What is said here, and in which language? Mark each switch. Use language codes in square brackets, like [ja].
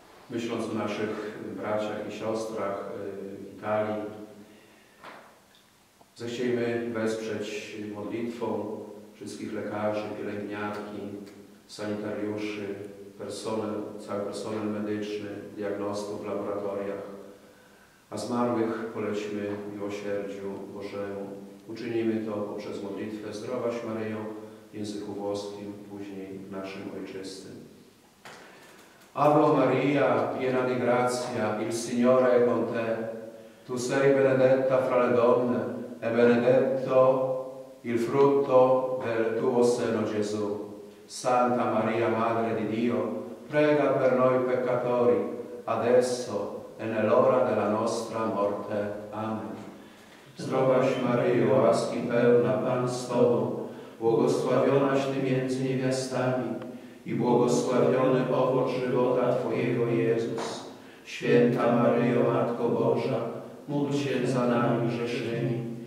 [pl] Myśląc o naszych braciach i siostrach w Italii, zechciejmy wesprzeć modlitwą wszystkich lekarzy, pielęgniarki, sanitariuszy, cały personel medyczny, diagnostów w laboratoriach, a zmarłych polećmy miłosierdziu Bożemu. Uczynimy to poprzez modlitwę Zdrowaś Maryjo w języku włoskim, później w naszym ojczystym. [it] Ave Maria, piena di grazia, il Signore è con te. Tu sei benedetta fra le donne e benedetto il frutto del tuo seno, Gesù. Santa Maria, Madre di Dio, prega per noi peccatori, adesso e nell'ora della nostra morte. Amen. [pl] Zdrowaś Maryjo, łaski pełna, Pan z Tobą, błogosławionaś Ty między niewiastami i błogosławiony owoc żywota Twojego, Jezus. Święta Maryjo, Matko Boża, módl się za nami grzesznymi,